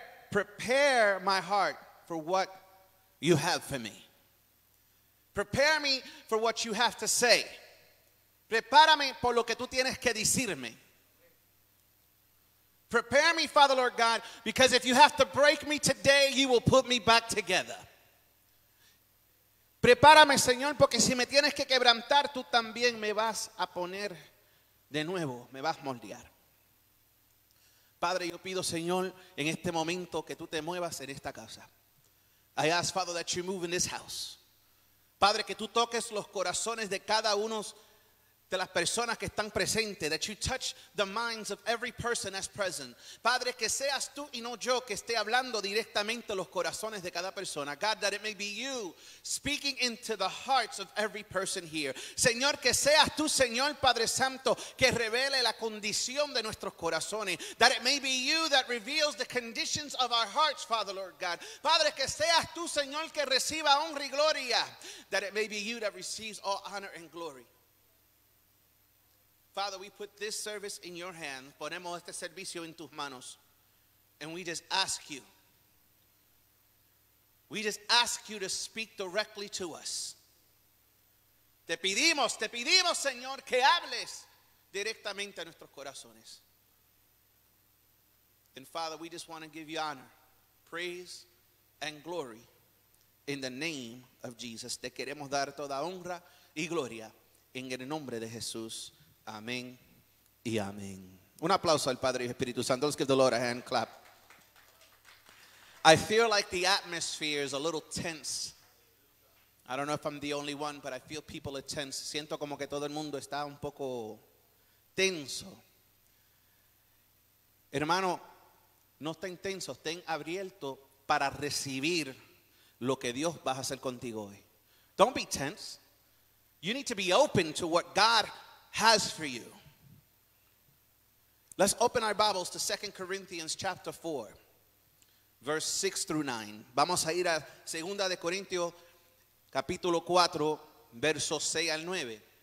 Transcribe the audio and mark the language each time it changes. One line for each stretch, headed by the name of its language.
English: Prepare my heart for what you have for me. Prepare me for what you have to say.
Spanish: Prepárame por lo que tú tienes que decirme.
English: Prepare me, Father Lord God, because if you have to break me today, you will put me back together.
Spanish: Prepárame, Señor, porque si me tienes que quebrantar, tú también me vas a poner de nuevo, me vas a moldear. Padre, yo pido, Señor, en este momento que tú te muevas en esta casa.
English: I ask, Father, that you move in this house.
Spanish: Padre, que tú toques los corazones de cada uno de las personas que están presentes.
English: That you touch the minds of every person that's present.
Spanish: Padre, que seas tú y no yo que esté hablando directamente los corazones de cada persona.
English: God, that it may be you speaking into the hearts of every person here.
Spanish: Señor, que seas tú, Señor, Padre Santo, que revele la condición de nuestros corazones.
English: That it may be you that reveals the conditions of our hearts, Father, Lord God.
Spanish: Padre, que seas tú, Señor, que reciba honra y gloria.
English: That it may be you that receives all honor and glory. Father, we put this service in your hands.
Spanish: Ponemos este servicio en tus manos.
English: And we just ask you. We just ask you to speak directly to us.
Spanish: Te pedimos, Señor, que hables directamente a nuestros corazones.
English: And Father, we just want to give you honor, praise, and glory in the name of Jesus.
Spanish: Te queremos dar toda honra y gloria en el nombre de Jesús. Amén y amén. Un aplauso al Padre y Espíritu Santo.
English: Let's give the Lord a hand clap. I feel like the atmosphere is a little tense. I don't know if I'm the only one, but I feel people are tense.
Spanish: Siento como que todo el mundo está un poco tenso. Hermano, no estén tensos, estén abiertos para recibir lo que Dios va a hacer contigo hoy.
English: Don't be tense. You need to be open to what God has for you. Let's open our Bibles to 2 Corinthians chapter 4, verse 6 through 9.
Spanish: Vamos a ir a 2 de Corintios capítulo 4, versos 6 al 9.